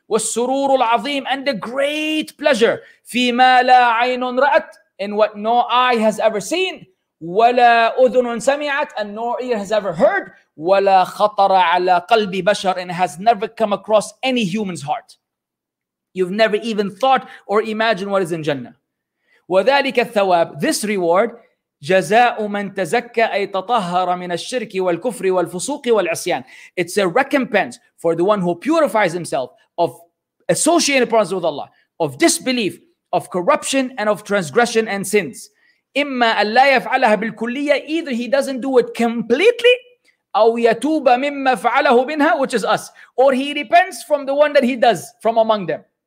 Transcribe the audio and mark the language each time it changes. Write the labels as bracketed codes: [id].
[ar] والسرور العظيم, [en] and the great pleasure. [ar] فيما لا عين رأت, [en] in what no eye has ever seen. [ar] ولا أذن سمعت, [en] and no ear has ever heard. [ar] ولا خطر على قلب بشر, [en] and has never come across any human's heart. You've never even thought or imagined what is in Jannah. [ar] وذلك الثواب, [en] this reward. [ar] جزاء من تزكى أي تطهر من الشرك والكفر والفسوق والعصيان. [en] It's a recompense for the one who purifies himself of associated problems with Allah, of disbelief, of corruption, and of transgression and sins. [ar] إما أن لا يفعلها بالكلية, [en] either he doesn't do it completely, [ar] أو يتوب مما فعله منها, [en] which is us, or he repents from the one that he does from among them.